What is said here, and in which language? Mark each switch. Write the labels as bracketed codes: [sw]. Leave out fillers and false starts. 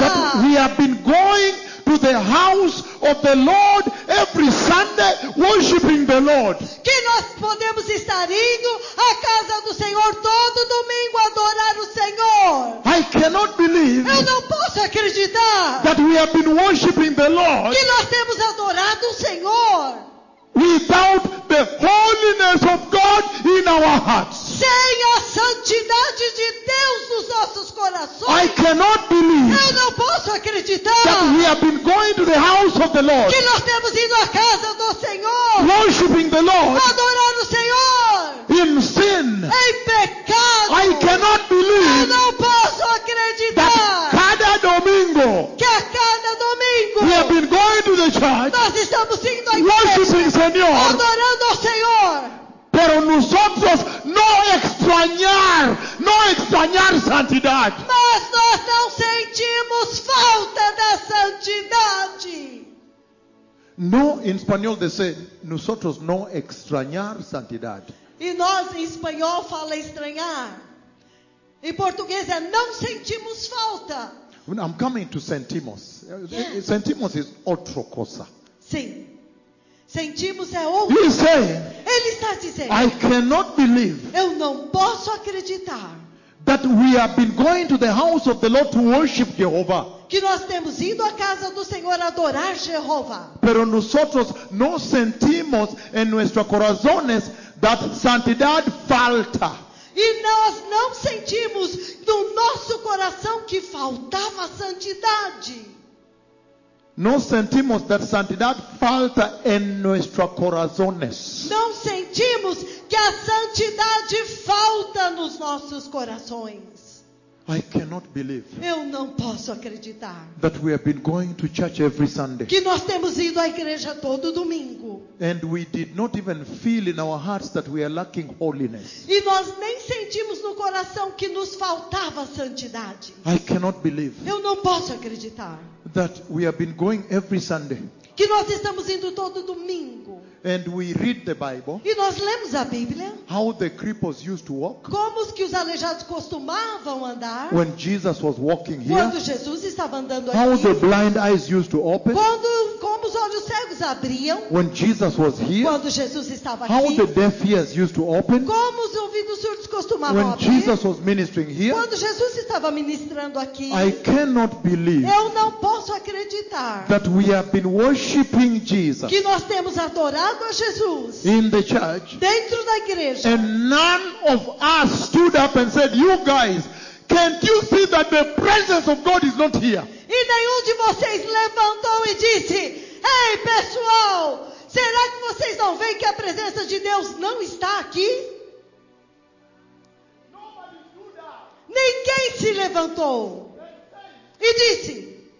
[en] That we have been going to the house of the Lord every Sunday worshiping the Lord. [pt] Que nós podemos estar indo à casa do Senhor todo domingo adorar o Senhor. [en] I cannot believe. [pt] Eu não posso acreditar. [en] That we have been worshiping the Lord. [pt] Que nós temos adorado o Senhor. [en] Without the holiness of God in our hearts. [pt] Sem a santidade de Deus nos nossos corações. [en] I cannot believe. [pt] Eu não posso acreditar. [en] That we have been going to the house of the Lord. [pt] Que nós temos ido à casa do Senhor. [en] Worshiping the Lord. [pt] Adorar o Senhor. [en] In sin. [pt] Em pecado. [en] I cannot believe. [pt] Eu não posso acreditar. [en] That [pt] cada domingo. Que a cada domingo. [en] We have been going to the church. [pt] Nós estamos indo à igreja. [en] Worshiping [pt] Senhor, adorando ao Senhor. [es] Pero nos outros não extrañar santidade. [pt] Mas nós não sentimos falta da santidade. [es] No, [pt] em espanhol, [en] they say, [es] nosotros no extrañar santidade. [pt] E nós, em espanhol, fala estranhar. Em português, é não sentimos falta. [en] I'm coming to sentimos. Yes. Sentimos is [pt] outra coisa. Sim. Sentimos é outro. Ele está dizendo. [en] I cannot believe. [pt] Eu não posso acreditar. [en] That we have been going to the house of the Lord to worship Jehovah. [pt] Que nós temos ido à casa do Senhor adorar Jeová. [es] Pero nosotros no sentimos en nuestros corazones [en] that [es] santidad falta. [pt] E nós não sentimos no nosso coração que faltava santidade. [es] No sentimos [en] that [es] santidad falta en nuestro corazones. [pt] Não sentimos que a santidade falta nos nossos corações. [en] I cannot believe. [pt] Eu não posso acreditar. [en] That we have been going to church every Sunday. [pt] Que nós temos ido à igreja todo domingo. [en] And we did not even feel in our hearts that we are lacking holiness. [pt] E nós nem sentimos no coração que nos faltava santidade. [en] I cannot believe. [pt] Eu não posso acreditar. [en] That we have been going every Sunday. [pt] Que nós estamos indo todo domingo. [en] And we read the Bible. [pt] E nós lemos a Bíblia. [en] How the cripples used to walk. [pt] Como os que os aleijados costumavam andar. [en] When Jesus was walking here. [pt] Quando Jesus estava andando [en] how [pt] aqui. [en] How the blind eyes used to open. [pt] Como os olhos cegos abriam. [en] When Jesus was here. [pt] Quando Jesus estava [en] how [pt] aqui. [en] How the deaf ears used to open. [pt] Como os ouvidos surdos costumavam [en] when [pt] abrir. [en] When Jesus was ministering here. [pt] Quando Jesus estava ministrando aqui. [en] I cannot believe. [pt] Eu não posso acreditar. [en] That we have been worshiping Jesus. [pt] Que nós temos adorado Jesus, [en] in the church, [pt] dentro da igreja, [en] and none of us stood up and said, "You guys, can't you see that the presence of God is not here?" [pt] E nenhum de vocês levantou e disse, "Ei, pessoal, será que vocês não veem que a presença de Deus não está aqui?" Ninguém se levantou e disse.